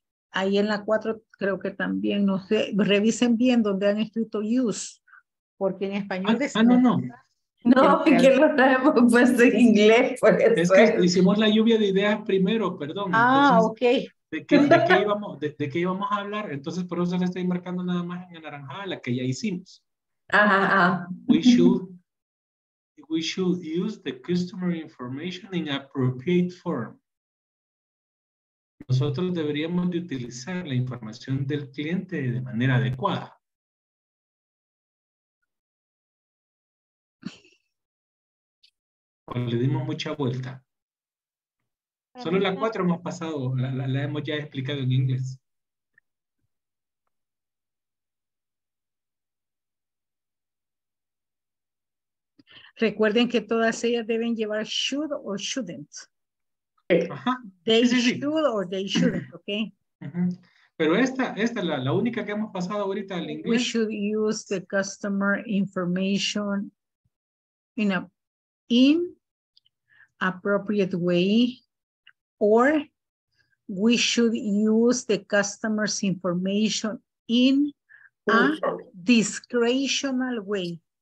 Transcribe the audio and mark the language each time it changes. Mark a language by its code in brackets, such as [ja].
[es] Ahí en la 4 creo que también, no sé, revisen bien donde han escrito use, porque en español... Porque no la hemos puesto en inglés, por eso. Es que hicimos la lluvia de ideas primero, perdón. Ah, entonces, ok. ¿De qué íbamos a hablar? Entonces, por eso le estoy marcando nada más en anaranjada la que ya hicimos. Ajá. [en] We should use the customer information in appropriate form. [es] Nosotros deberíamos de utilizar la información del cliente de manera adecuada. Pues le dimos mucha vuelta. Solo la 4 hemos pasado, la hemos ya explicado en inglés. Recuerden que todas ellas deben llevar should or shouldn't. Pero esta es la única que hemos pasado ahorita al inglés. [en] We should use the customer information in appropriate way, or we should use the customer's information in a discretional way.